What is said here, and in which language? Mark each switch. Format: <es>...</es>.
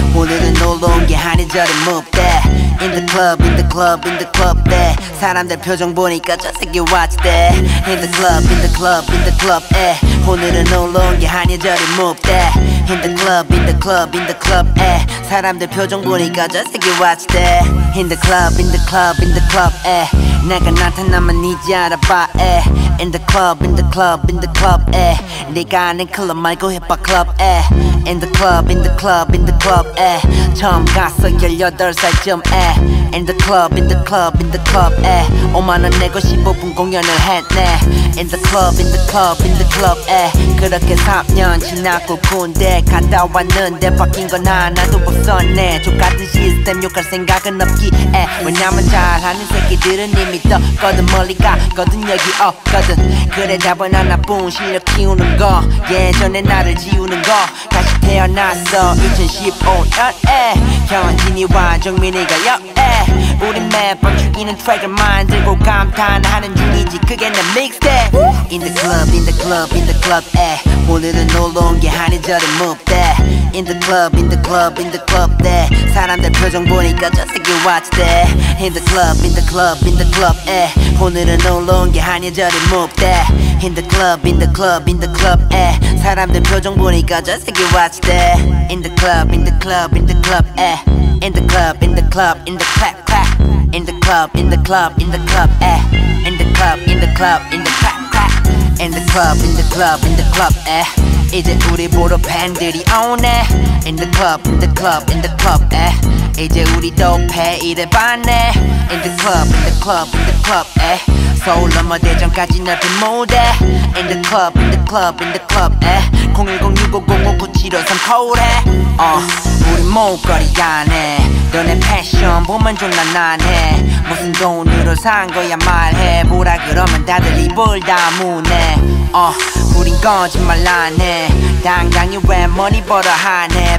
<ko>오늘은 놀러온게 한의절은 못돼.</ko> <en>In the club, in the club, in the club, eh.</en> <ko>사람들 표정 보니까 저새끼</ko> <en>watch that. In the club, in the club, in the club, eh.</en> <ko>오늘은 놀러온게 한의절은 못돼.</ko> <en>In the club, in the club, in the club, eh.</en> <ko>사람들 표정 보니까 저새끼</ko> <en>watch that. In the club, in the club, in the club, eh.</en> <ko>내가 나타나면 이제 알아봐, eh.</ko> <en>In the club, in the club, in the club, eh.</en> <ko>네가 아는 클럽 말고 힙합 클럽, eh.</ko> <en>In the club, in the club, in the club, eh.</en> <ko>처음 갔어 18살쯤, eh.</ko> <en>In the club, in the club, in the club, eh.</en> <ko>5만원 내고 15분 공연을 했네.</ko> <en>In the club, in the club, in the club, eh.</en> <ko>그렇게 3년 지났고 군대 갔다 왔는데 바뀐 건 하나도 없었네. 족같은 시스템 욕할 생각은 없기에. 왜냐면 잘하는 새끼들은 이미 떴거든. 멀리 가거든. 여기 없거든. 그래 답은 하나뿐. 실력 키우는 거, 예전에 나를 지우는 거. 다시 태어났어 2015년에. 현진이 와정민이가 여에. 우린 매번 죽이는 트랙을 만들고 감탄하는 중이지. 그게 내 믹스에.</ko> <en>In the club, in the club, in the club, 에.</en> <ko>오늘은 놀러온 게 한의절은 못돼.</ko> <en>In the club, in the club, in the club, 에.</en> <ko>사람들 표정 보니까 저 새끼</ko> <en>watch that. In the club, in the club, in the club, 에.</en> <ko>오늘은 놀러온 게 한의절은 못돼.</ko> <en>In the club, in the club, in the club, 에.</en> <ko>사람들 표정 보니까 저 새끼</ko> <en>watch that. In the club, in the club, in the club, 에. In the club, in the club, in the clap clap. In the club, in the club, in the club, eh. In the club, in the club, in the clap clap. In the club, in the club, in the club, eh.</en> <ko>이제 우리 모두 팬들이 오네.</ko> <en>In the club, in the club, in the club, eh.</en> <ko>이제 우리도 페이를 받네.</ko> <en>In the club, in the club, in the club, eh.</en> <ko>서울 넘어 대전까지 넓은 무대.</ko> <en>In the club, in the club, in the club, eh.</en> <ko>010-6500-9753 코레. 우리 목걸이 안에 너네 패션 보면 존나 난해. 무슨 돈으로 산 거야 말해. 보라 그러면 다들 입을 다무네. 우린 거짓말 안해. 당당히 왜 머니 벌어 하네.</ko>